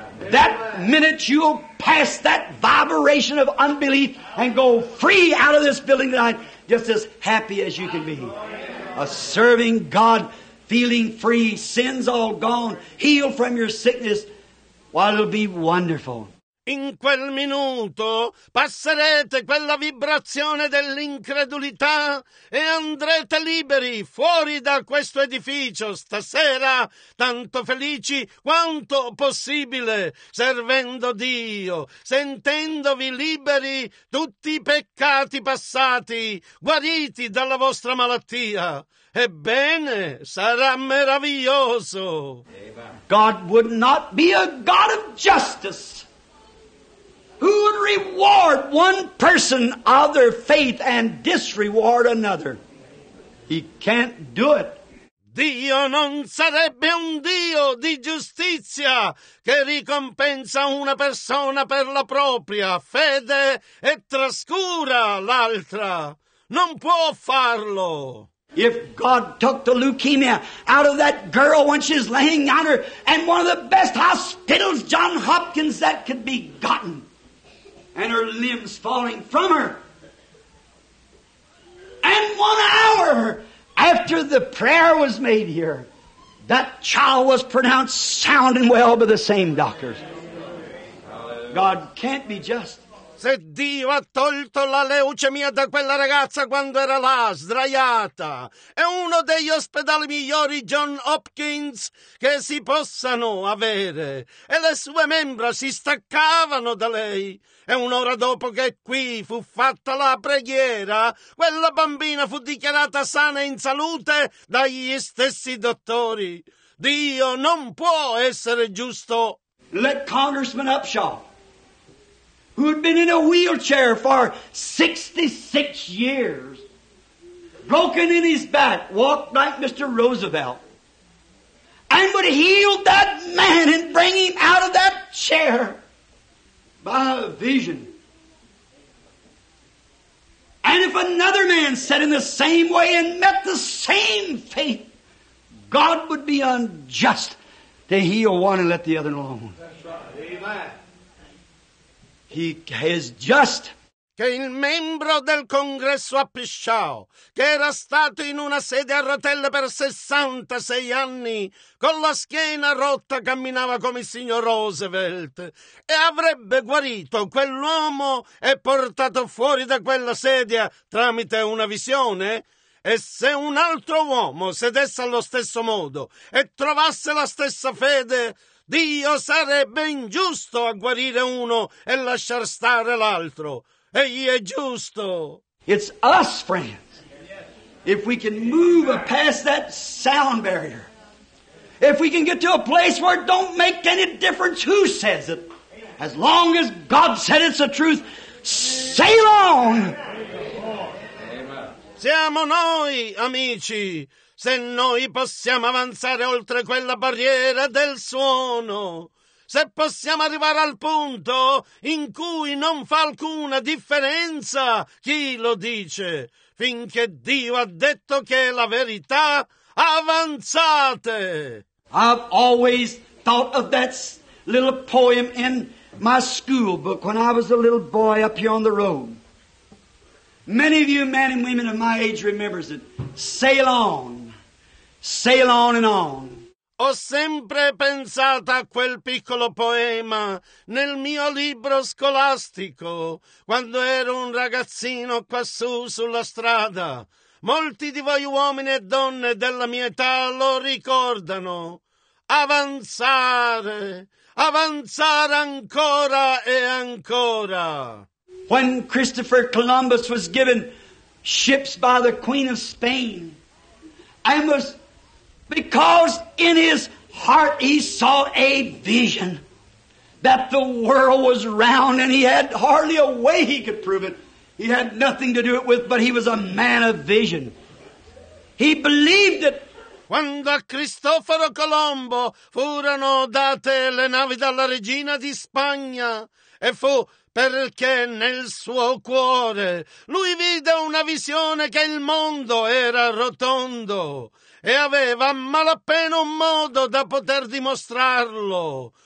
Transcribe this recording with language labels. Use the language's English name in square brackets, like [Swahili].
[English] That minute you'll pass that vibration of unbelief and go free out of this building tonight, just as happy as you can be. A serving God, feeling free, sins all gone, healed from your sickness. Well, it'll be wonderful. [Italian] In quel minuto passerete quella vibrazione dell'incredulità e andrete liberi fuori da questo edificio stasera, tanto felici quanto possibile, servendo Dio, sentendovi liberi tutti i peccati passati, guariti dalla vostra malattia. Ebbene, sarà meraviglioso. [English] God would not be a God of justice. Who would reward one person of their faith and disreward another? He can't do it. [Italian] Dio non sarebbe un Dio di giustizia che ricompensa una persona per la propria fede e trascura l'altra. Non può farlo. [English] If God took the leukemia out of that girl when she's laying on her and one of the best hospitals, John Hopkins, that could be gotten, and her limbs falling from her. And 1 hour after the prayer was made here, that child was pronounced sound and well by the same doctors. God can't be just. [Italian] Se Dio ha tolto la leucemia da quella ragazza quando era là, sdraiata, è uno degli ospedali migliori, John Hopkins, che si possano avere. E le sue membra si staccavano da lei. E un'ora dopo che qui fu fatta la preghiera, quella bambina fu dichiarata sana e in salute dagli stessi dottori. Dio non può essere giusto. [English] Let Congressman Upshaw, who had been in a wheelchair for 66 years, broken in his back, walked like Mr. Roosevelt, and would heal that man and bring him out of that chair by a vision. And if another man sat in the same way and met the same fate, God would be unjust to heal one and let the other alone. That's right. Amen. He is just. [Italian] Che il membro del congresso Upshaw, che era stato in una sedia a rotelle per 66 anni, con la schiena rotta camminava come il signor Roosevelt, e avrebbe guarito quell'uomo e portato fuori da quella sedia tramite una visione? E se un altro uomo sedesse allo stesso modo e trovasse la stessa fede, Dio sarebbe ingiusto a guarire uno e lasciar stare l'altro. Egli è giusto. [English] It's us, friends. If we can move past that sound barrier. If we can get to a place where it don't make any difference who says it. As long as God said it's the truth, sail on. [Italian] Siamo noi, amici. Se noi possiamo avanzare oltre quella barriera del suono, se possiamo arrivare al punto in cui non fa alcuna differenza chi lo dice, finché Dio ha detto che è la verità, avanzate! [English] I've always thought of that little poem in my school book when I was a little boy up here on the road. Many of you men and women of my age remembers it. Sail on. Sail on and on. [Italian] Ho sempre pensato a quel piccolo poema nel mio libro scolastico, quando ero un ragazzino quassù sulla strada. Molti di voi uomini e donne della mia età lo ricordano. Avanzare, avanzare ancora e ancora. [English] When Christopher Columbus was given ships by the Queen of Spain, and was because in his heart he saw a vision that the world was round, and he had hardly a way he could prove it. He had nothing to do it with, but he was a man of vision. He believed it. [Italian] Quando a Cristoforo Colombo furono date le navi dalla regina di Spagna, e fu perché nel suo cuore lui vide una visione che il mondo era rotondo e aveva malappena un modo da poter dimostrarlo.